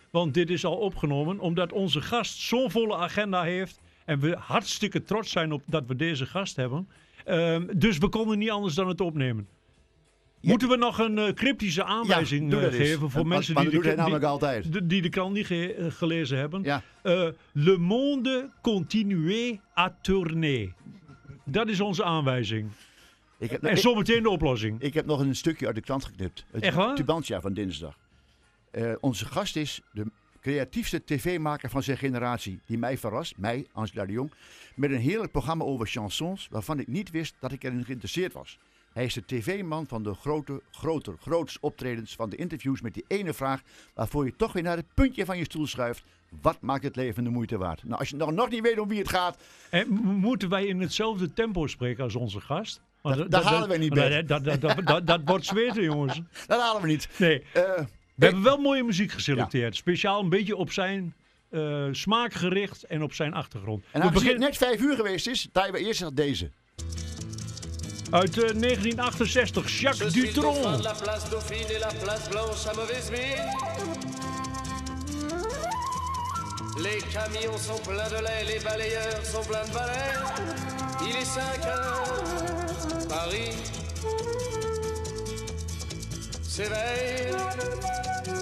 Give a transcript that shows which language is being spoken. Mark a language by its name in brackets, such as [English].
[Dutch] Want dit is al opgenomen. Omdat onze gast zo'n volle agenda heeft. En we hartstikke trots zijn op dat we deze gast hebben. Dus we konden niet anders dan het opnemen. Moeten we nog een cryptische aanwijzing geven voor mensen die de krant niet gelezen hebben? Ja. [French] Le monde continue à tourner. [Dutch] Dat is onze aanwijzing. Zometeen de oplossing. Ik heb nog een stukje uit de krant geknipt. Echt waar? Tubantia van dinsdag. Onze gast is de creatiefste tv-maker van zijn generatie. Die mij verrast, Angela de Jong. Met een heerlijk programma over chansons waarvan ik niet wist dat ik erin geïnteresseerd was. Hij is de tv-man van de grootste optredens van de interviews met die ene vraag waarvoor je toch weer naar het puntje van je stoel schuift. Wat maakt het leven de moeite waard? Nou, als je nog niet weet om wie het gaat. En moeten wij in hetzelfde tempo spreken als onze gast? Want dat halen we niet, Bert. Dat wordt zweten, jongens. Dat halen we niet. Nee. We hebben wel mooie muziek geselecteerd. Ja. Speciaal een beetje op zijn smaak gericht en op zijn achtergrond. En aangezien het net 5 uur geweest is, draaien we eerst nog deze. Uit 1968, Jacques Dutronc. [French] Je suis la place Dauphine et la place Blanche à mauvaise mine. Les camions sont pleins de lait, les balayeurs sont pleins de balais. Il est 5 heures, Paris s'éveille.